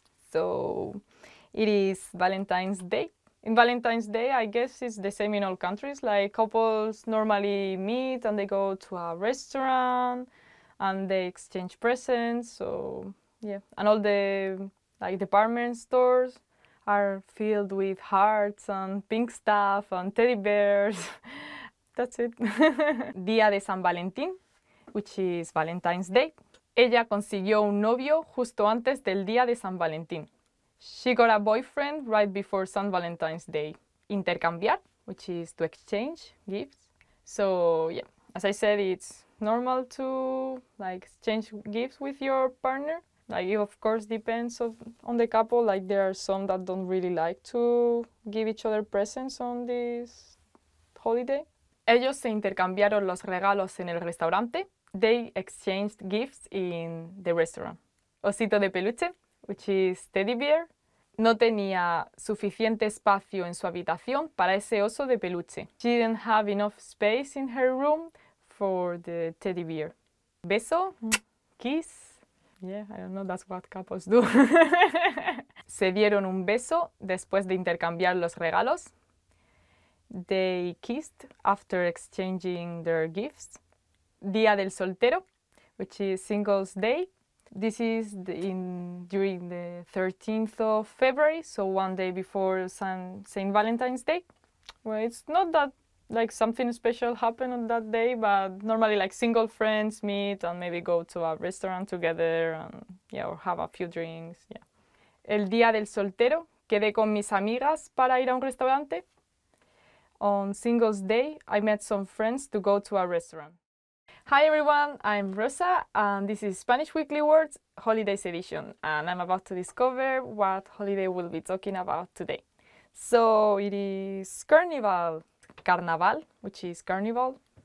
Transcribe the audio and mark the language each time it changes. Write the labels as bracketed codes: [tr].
[en] So, it is Valentine's Day. In Valentine's Day, I guess it's the same in all countries, like couples normally meet and they go to a restaurant and they exchange presents, so yeah. And all the like department stores are filled with hearts and pink stuff and teddy bears. That's it. Día de San Valentín, which is Valentine's Day. [es] Ella consiguió un novio justo antes del día de San Valentín. [en] She got a boyfriend right before San Valentine's Day. Intercambiar, which is to exchange gifts. So yeah, as I said, it's normal to like exchange gifts with your partner. Like, it of course depends on the couple, like there are some that don't really like to give each other presents on this holiday. [es] Ellos se intercambiaron los regalos en el restaurante. [en] They exchanged gifts in the restaurant. Osito de peluche, which is teddy bear, [es] no tenía suficiente espacio en su habitación para ese oso de peluche. [en] She didn't have enough space in her room for the teddy bear. Beso, kiss. Yeah, I don't know, that's what couples do. [es] Se dieron un beso después de intercambiar los regalos. [en] They kissed after exchanging their gifts. Día del soltero, which is Singles Day. This is during the 13th of February, so one day before Saint Valentine's Day. Well, it's not that like something special happened on that day, but normally like single friends meet and maybe go to a restaurant together and yeah, or have a few drinks. Yeah. [es] El día del soltero, quedé con mis amigas para ir a un restaurante. [en] On Singles Day, I met some friends to go to a restaurant. Hi everyone, I'm Rosa and this is Spanish Weekly Words Holidays Edition, and I'm about to discover what holiday we'll be talking about today. So it is Carnival, Carnaval, which is Carnival.